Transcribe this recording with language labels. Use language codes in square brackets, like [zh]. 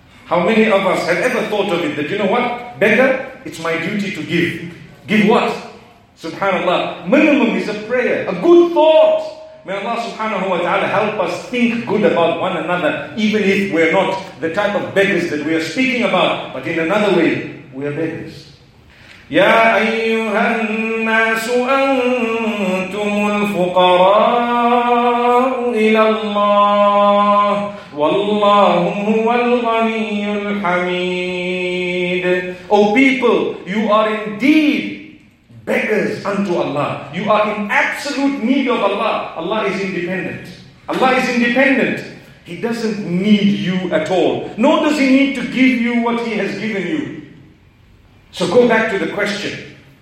[en] How many of us have ever thought of it that, you know what, beggar, it's my duty to give. Give what? Subhanallah. Minimum is a prayer, a good thought. May Allah subhanahu wa ta'ala help us think good about one another, even if we're not the type of beggars that we are speaking about, but in another way, we are beggars. [ar] يا أيها الناس أنتم الفقراء إلى الله والله هو الغني الحميد. [en] O people, you are indeed beggars unto Allah. You are in absolute need of Allah. Allah is independent. Allah is independent. He doesn't need you at all. Nor does He need to give you what He has given you. So go back to the question.